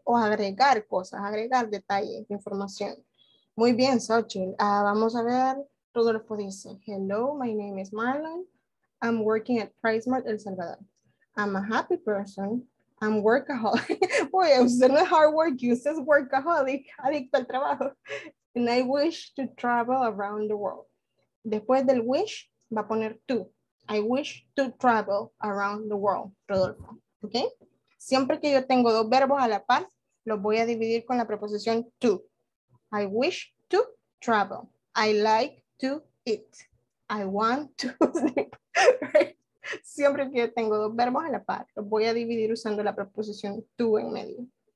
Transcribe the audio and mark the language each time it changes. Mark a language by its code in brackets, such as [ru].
[es] O agregar cosas, agregar detalles, información. Muy bien, Xochitl. Vamos a ver, [en] Rodolfo [es] dice, [en] hello, my name is Marlon. I'm working at PriceMart El Salvador. I'm a happy person. I'm workaholic. [es] Oye, usted no es [en] hard work, [es] usted es workaholic, adicto al trabajo. [en] And I wish to travel around the world. [es] Después del wish, va a poner to. [en] I wish to travel around the world, Rodolfo. ¿Ok? [es] Siempre que yo tengo dos verbos a la par, los voy a dividir con la preposición to. [en] I wish to travel. I like to eat. I want to sleep. Right? [es] Siempre que tengo dos verbos a la par, los voy a dividir usando la preposición to en medio.